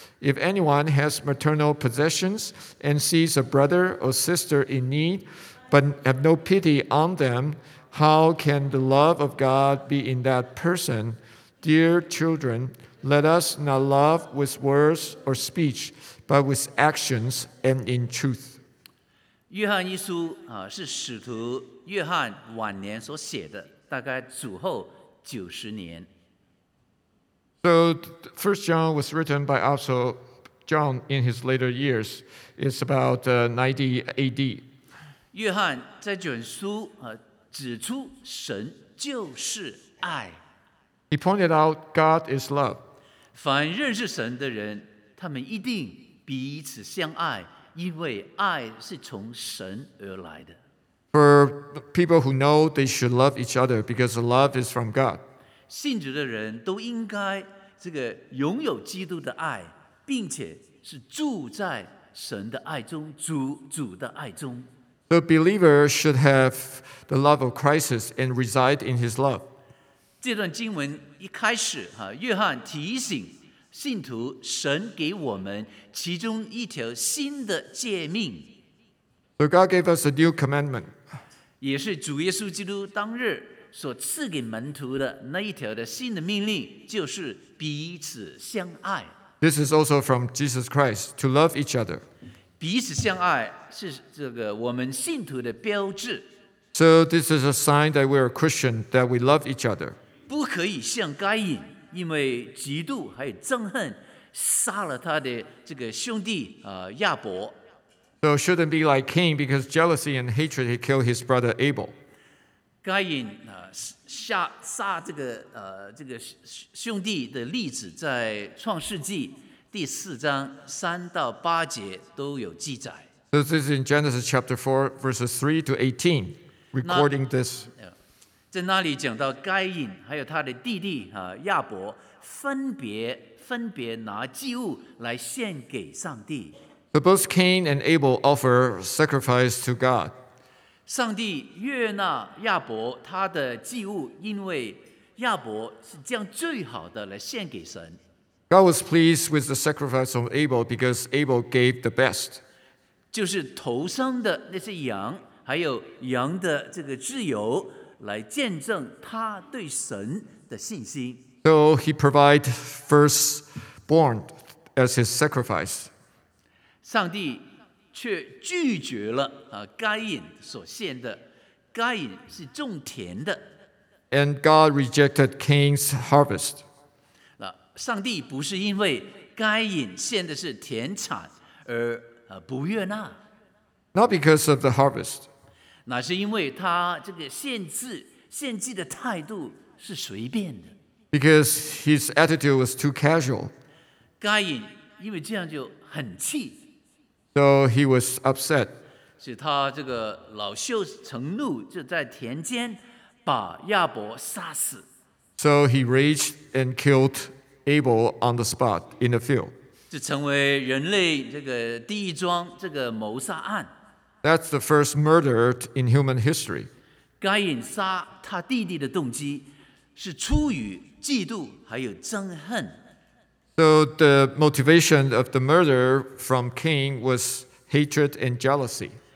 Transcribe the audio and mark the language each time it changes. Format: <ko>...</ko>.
<en>If anyone has maternal possessions and sees a brother or sister in need, but have no pity on them, how can the love of God be in that person? Dear children, let us not love with words or speech, but with actions and in truth.</en> <zh>约翰一书是使徒约翰晚年所写的，大概主后九十年。</zh> <en>So First John was written by Apostle John in his later years. It's about 90 AD.</en> <zh>约翰在卷书指出神就是爱。</zh> <en>He pointed out God is love.</en> <zh>凡认识神的人，他们一定彼此相爱，因为爱是从神而来的。</zh> <en>For people who know they should love each other because love is from God.</en> <zh>信主的人都应该这个拥有基督的爱，并且是住在神的爱中，主的爱中。</zh> <en>The believer should have the love of Christ and reside in his love.</en> <zh>这段经文一开始，约翰提醒信徒，神给我们其中一条新的诫命。</zh> <en>So God gave us a new commandment.</en> <zh>也是主耶稣基督当日所赐给门徒的那一条的新的命令，就是彼此相爱。</zh> <en>This is also from Jesus Christ, to love each other.</en> <zh>彼此相爱是这个我们信徒的标志。</zh> <en>So this is a sign that we are Christian, that we love each other.</en> <zh>不可以像该隐，因为嫉妒还有憎恨杀了他的这个兄弟亚伯。</zh> <en>So it shouldn't be like Cain, because jealousy and hatred he killed his brother Abel.</en> <zh>该隐杀这个兄弟的例子在创世纪第四章三到八节都有记载。</zh> <en>So this is in Genesis chapter 4 verses 3 to 18, recording this.</en> <zh>在那里讲到该隐还有他的弟弟亚伯分别拿祭物来献给上帝。</zh> <en>But both Cain and Abel offer sacrifice to God.</en> <zh>上帝悦纳亚伯他的祭物，因为亚伯是将最好的来献给神。</zh> <en>God was pleased with the sacrifice of Abel because Abel gave the best.</en> <zh>就是头生的那些羊，还有羊的这个自由，来见证他对神的信心。</zh> <en>So he provided firstborn as his sacrifice.</en> <zh>上帝却拒绝了该隐所献的。该隐是种田的。</zh> <en>And God rejected Cain's harvest.</en> <zh>上帝不是因为该隐献的是田产而不悦纳。</zh> <en>Not because of the harvest.</en> <zh>那是因为他这个献祭的态度是随便的。</zh> <en>Because his attitude was too casual.</en> <zh>该隐因为这样就很气。</zh> <en>So he was upset.</en> <zh>是他这个恼羞成怒，就在田间把亚伯杀死。</zh> <en>So he raged and killed Abel on the spot in the field.</en> <zh>这成为人类这个第一桩这个谋杀案。</zh> <en>That's the first murder in human history.</en> <zh>该隐杀他弟弟的动机是出于嫉妒还有憎恨。</zh> <en>So the motivation of the murder from Cain was hatred and jealousy.</en>